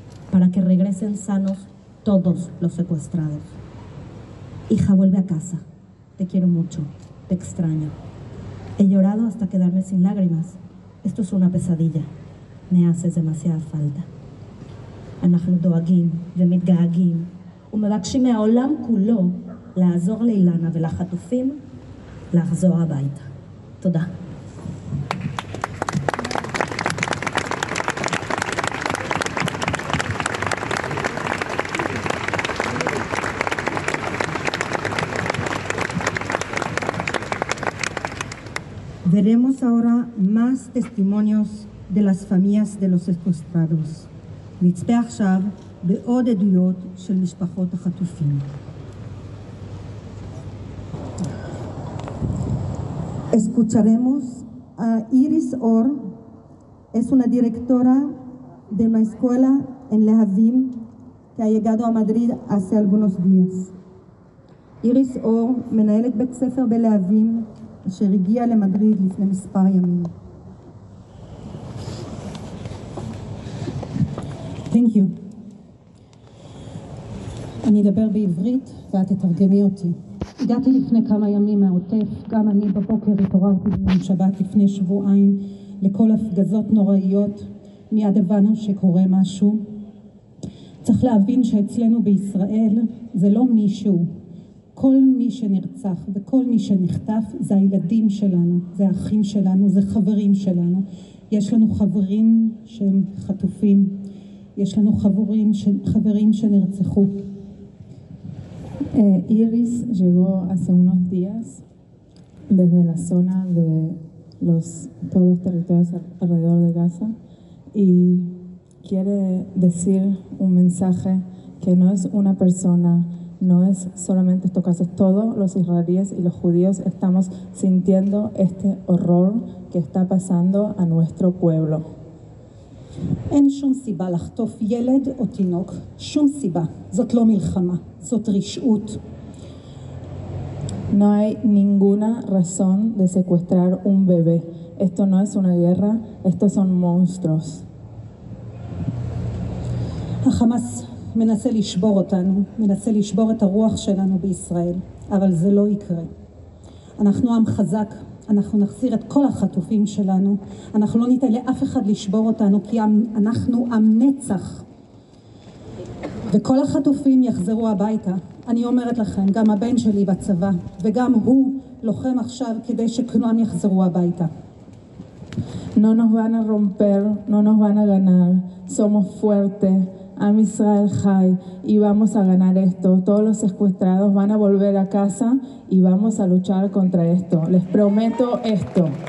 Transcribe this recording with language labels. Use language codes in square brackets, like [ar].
[es] Para que regresen sanos todos los secuestrados. Hija, vuelve a casa. Te quiero mucho. Te extraño. He llorado hasta quedarme sin lágrimas. Esto es una pesadilla. Me haces demasiada falta. [he] אנחנו דואגים ומתגעגים ומבקשים מהעולם כולו לעזור לאילנה ולחטופים לחזור הביתה. תודה. [es] Veremos ahora más testimonios de las familias de los secuestrados. [he] נצפה עכשיו בעוד עדויות של משפחות החטופים. [es] Escucharemos a Iris Or, es una directora de una escuela en Lehavim que ha llegado a Madrid hace algunos días. [he] Iris Or, מנהלת בית ספר בלהבים, אשר הגיע למדריד לפני מספר ימים. [en] Thank you. [he] אני אדבר בעברית ואת תתרגמי אותי. הגעתי לפני כמה ימים מהעוטף, גם אני בבוקר התעוררתי ביום שבת לפני שבועיים לכל הפגזות נוראיות, מיד הבנו שקורה משהו. צריך להבין שאצלנו בישראל זה לא מישהו. כל מי שנרצח וכל מי שנחטף זה הילדים שלנו, זה האחים שלנו, זה חברים שלנו. יש לנו חברים שהם חטופים, יש לנו חברים שנרצחו. [es] Iris llegó hace unos días desde la zona de los, todos los territorios alrededor de Gaza y quiere decir un mensaje que no es una persona, no es solamente esto caso, todos los israelíes y los judíos estamos sintiendo este horror que está pasando a nuestro pueblo. [he] אין שום סיבה לחטוף ילד או תינוק, שום סיבה, זאת לא מלחמה, זאת רשעות. [es] No hay ninguna razón de secuestrar un bebé. Esto no es una guerra, estos son monstruos. [he] החמאס מנסה לשבור אותנו, מנסה לשבור את הרוח שלנו בישראל, אבל זה לא יקרה. אנחנו עם חזק. אנחנו נחזיר את כל החטופים שלנו. אנחנו לא ניתן לאף אחד לשבור אותנו, כי אנחנו עם נצח. וכל החטופים יחזרו הביתה. אני אומרת לכם, גם הבן שלי בצבא, וגם הוא לוחם עכשיו כדי שכולם יחזרו הביתה. [es] No nos van a romper, no nos van a ganar. Somos fuertes, [he] Am Israel Chai, [es] y vamos a ganar esto. Todos los secuestrados van a volver a casa y vamos a luchar contra esto. Les prometo esto.